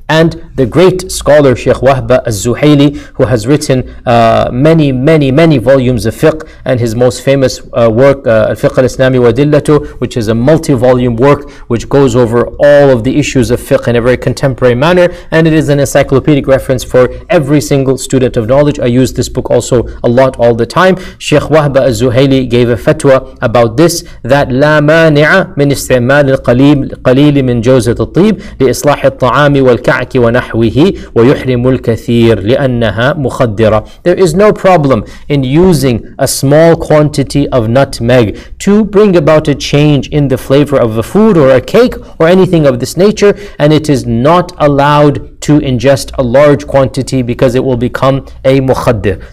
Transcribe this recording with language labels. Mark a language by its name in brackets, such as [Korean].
[English] And the great scholar Sheikh Wahba Az-Zuhayli, who has written many volumes of fiqh, and his most famous work, Al-Fiqh Al-Islami Wa Dillatu, which is a multi-volume work which goes over all of the issues of fiqh in a very contemporary manner, and it is an encyclopedic reference for every single student of knowledge. I use this book also a lot all the time. Sheikh Wahba Az-Zuhayli gave a fatwa about this, that [Arabic] لا مانع من استعمال القليل من جوزة الطيب لإصلاح الطعام وال كعك ونحوه ويحرم الكثير لأنها مخدرة. [English] There is no problem in using a small quantity of nutmeg to bring about a change in the flavor of a food or a cake or anything of this nature, and it is not allowed to ingest a large quantity because it will become a mukhaddir.